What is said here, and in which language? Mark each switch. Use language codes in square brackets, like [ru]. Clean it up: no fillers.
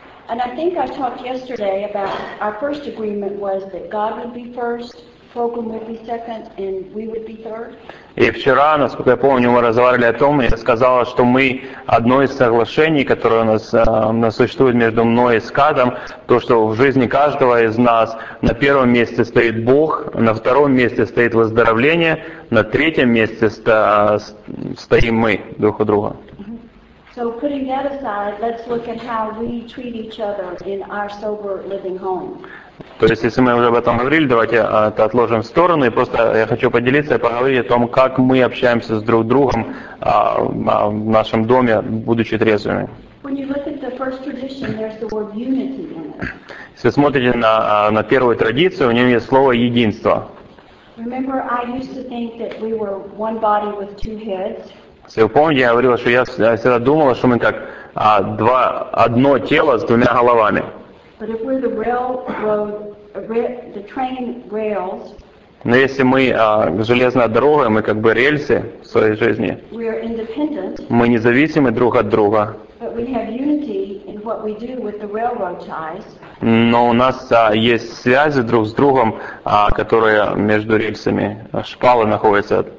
[en] And I think I talked yesterday about our first agreement was that God would be first, program would be second, and we would be third. [ru] И вчера, насколько я помню, мы разговаривали о том, и я сказала, что мы одно из соглашений, которое у нас существует между мной и Скадом, то, что в жизни каждого из нас на первом месте стоит Бог, на втором месте стоит выздоровление, на третьем месте стоим мы друг у друга. [en] So putting that aside, let's look at how we treat each other in our sober living home. [ru] То есть, если мы уже об этом говорили, давайте это отложим в сторону, и просто я хочу поделиться и поговорить о том, как мы общаемся с друг другом в нашем доме, будучи трезвыми. [en] When you look at the first tradition, there's the word unity in it. [ru] Если смотрите на первую традицию, у нее есть слово «единство». [en] Remember, I used to think that we were one body with two heads. [ru] Если вы помните, я говорила, что я всегда думала, что мы как одно тело с двумя головами. [en] But if we're the railroad, the train rails. [ru] Но если мы железная дорога, мы как бы рельсы в своей жизни. [en] We are independent. [ru] Мы независимы друг от друга. [en] But we have unity in what we do with the railroad ties. [ru] Но у нас есть связи друг с другом, которые между рельсами, шпалы находятся.